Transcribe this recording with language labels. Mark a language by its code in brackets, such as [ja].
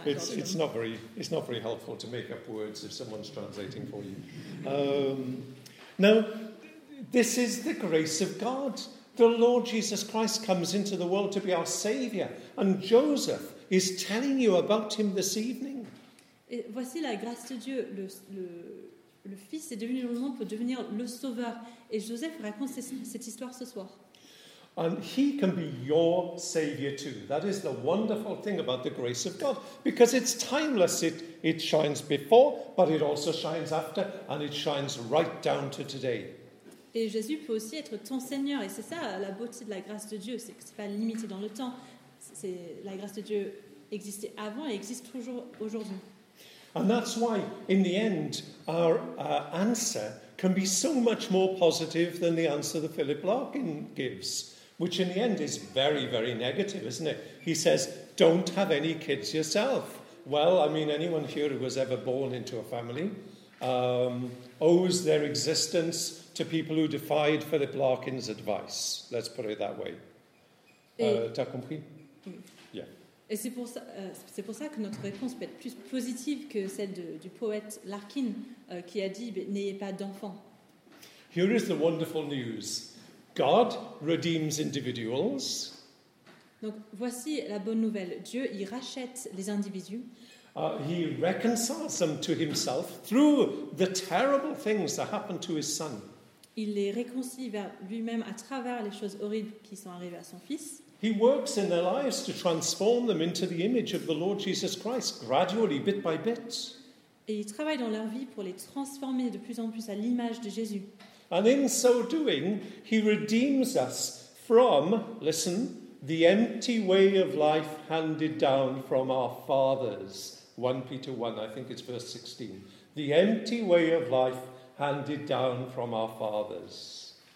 [en] it's not very helpful to make up words if someone's translating for you. Now, this is the grace of God. The Lord Jesus Christ comes into the world to be our Savior, and Joseph. Is telling you about him this evening. [fr] Et voici la grâce de Dieu. Le Fils est devenu le monde pour devenir le Sauveur. Et Joseph raconte cette histoire ce soir. [en] And he can be your Savior too. That is the wonderful thing about the grace of God. Because it's timeless. It shines before, but it also shines after. And it shines right down to today. [fr] Et Jésus peut aussi être ton Seigneur. Et c'est ça la beauté de la grâce de Dieu. C'est que c'est pas limité dans le temps. C'est la grâce de Dieu existait avant et existe toujours aujourd'hui. [en] And that's why, in the end, our answer can be so much more positive than the answer that Philip Larkin gives, which in the end is very, very negative, isn't it? He says, "Don't have any kids yourself." Well, I mean, anyone here who was ever born into a family owes their existence to people who defied Philip Larkin's advice. Let's put it that way. [fr] T'as compris? Oui. [en] Yeah. [fr] Et c'est pour ça que notre réponse peut être plus positive que celle du poète Larkin qui a dit « N'ayez pas d'enfants ». [en] Here is the wonderful news. God redeems individuals. [fr] Donc voici la bonne nouvelle. Dieu, il rachète les individus. [en] He reconciles them to himself through the terrible things that happened to his son. [fr] Il les réconcilie vers lui-même à travers les choses horribles qui sont arrivées à son fils. [en] He works in their lives to transform them into the image of the Lord Jesus Christ, gradually, bit by bit. [fr] Et il travaille dans leur vie pour les transformer de plus en plus à l'image de Jésus. [en] And in so doing, he redeems us from, listen, the empty way of life handed down from our fathers. 1 Peter 1, I think it's verse 16. The empty way of life handed down from our fathers.